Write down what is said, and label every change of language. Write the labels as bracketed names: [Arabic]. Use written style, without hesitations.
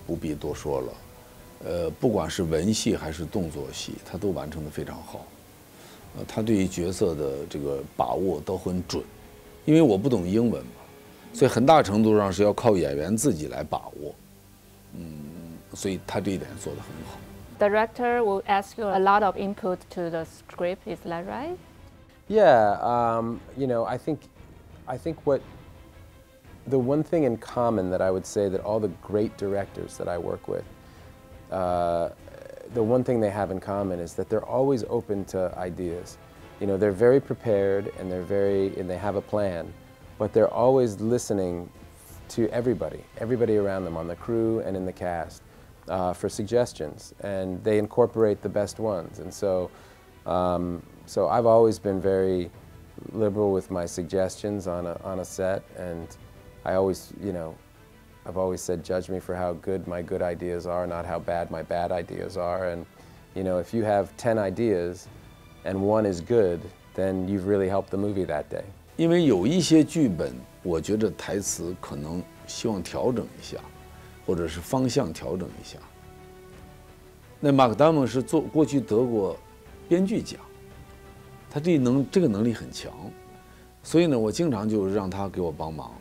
[Chinese] 他是一个好演员，这个不必多说了。不管是文戏还是动作戏，他都完成的非常好。他对于角色的这个把握都很准，因为我不懂英文嘛，所以很大程度上是要靠演员自己来把握。所以他这一点做得很好。 [English] Director will ask you a lot of input to the script. Is that right? Yeah. You know, I think what the one thing in common that I would say that all the great directors that I work with. The one thing they have in common is that they're always open to ideas. You know, they're very prepared and they have a plan, but they're always listening to everybody around them on the crew and in the cast for suggestions, and they incorporate the best ones. And so I've always been very liberal with my suggestions on a set, and I always, you know, I've always said, judge me for how good my good ideas are, not how bad my bad ideas are. And, you know, if you have 10 ideas and one is good, then you've really helped the movie that day. [Chinese] 因为有一些剧本，我觉得台词可能希望调整一下，或者是方向调整一下。那马克达蒙是过去得过编剧奖，他这个能力很强，所以呢，我经常就让他给我帮忙。